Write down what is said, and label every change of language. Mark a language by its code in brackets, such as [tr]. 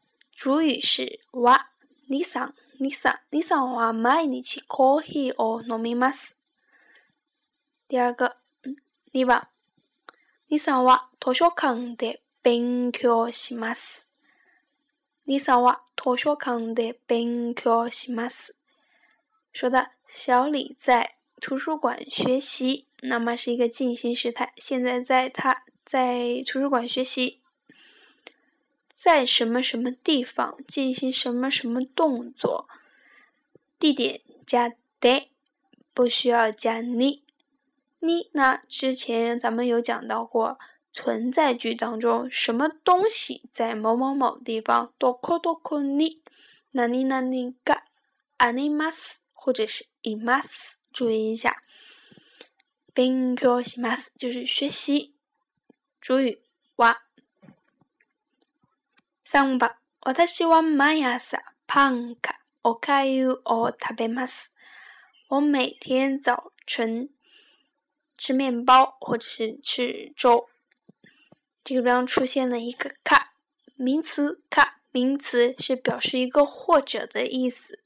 [ja] 主语是は、李さん、李さん、李さんは毎日コーヒーを飲みます。 [zh] 第二个、 [ja] 2番、李さんは図書館で勉強します。李さんは図書館で勉強します。 [zh] 说的小李在图书馆学习，那么是一个进行时态。现在在他在图书馆学习，在什么什么地方进行什么什么动作，地点加 de 不需要加 ni。 ni 呢之前咱们有讲到过，存在句当中什么东西在某某某地方， [ja] どこどこに何々があります [zh] 或者是います，注意一下。勉強します就是学习。主语は。 [ja] 3番、私は毎朝パンかおかゆを食べます。 [zh] 我每天早晨吃面包或者是吃粥。这个地方出现了一个か，名词か，名词是表示一个或者的意思。